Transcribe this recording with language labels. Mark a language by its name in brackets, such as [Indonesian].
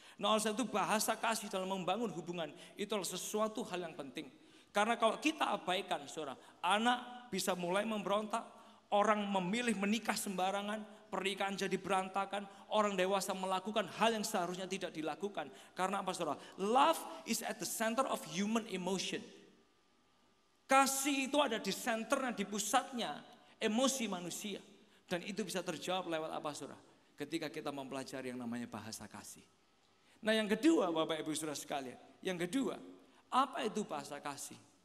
[Indonesian] Nah, oleh sebab itu bahasa kasih dalam membangun hubungan itu adalah sesuatu hal yang penting. Karena kalau kita abaikan, saudara, anak bisa mulai memberontak, orang memilih menikah sembarangan, pernikahan jadi berantakan, orang dewasa melakukan hal yang seharusnya tidak dilakukan. Karena apa, saudara? [English] Love is at the center of human emotion. [Indonesian] Kasih itu ada di senternya, di pusatnya emosi manusia. Dan itu bisa terjawab lewat apa, saudara? Ketika kita mempelajari yang namanya bahasa kasih. Nah, yang kedua, Bapak Ibu Saudara sekalian, yang kedua, apa itu bahasa kasih?